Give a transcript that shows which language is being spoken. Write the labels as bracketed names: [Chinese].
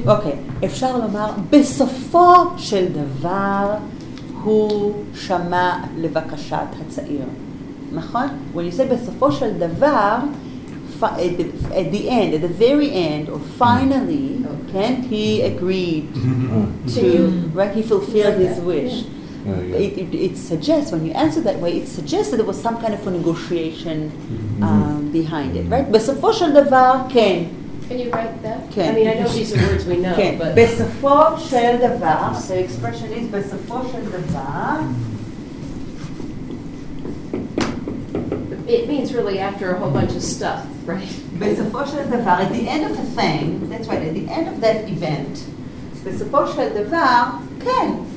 [Hebrew] אוקיי, אפשר לומר בסופו של דבר הוא שמע לבקשת הצעיר, נכון? [English] When you say [Hebrew] בסופו של דבר, [English] at the end, at the very end, or finally, can he agreed to, right? He fulfilled his wish. It suggests, when you answer that way, it suggests that there was some kind of a negotiation behind it, right? [Hebrew] בסופו של דבר, כן. [English] Can you write that? [Hebrew] כן. [English] I mean, I know these are words we know, [Hebrew] כן. [English] but... [Hebrew] בסופו של דבר, [English] the expression is [Hebrew] בסופו של דבר... [English] It means really after a whole bunch of stuff, right? [Hebrew] בסופו של דבר, [English] at the end of the thing, that's right, at the end of that event, בסופו של דבר, כן.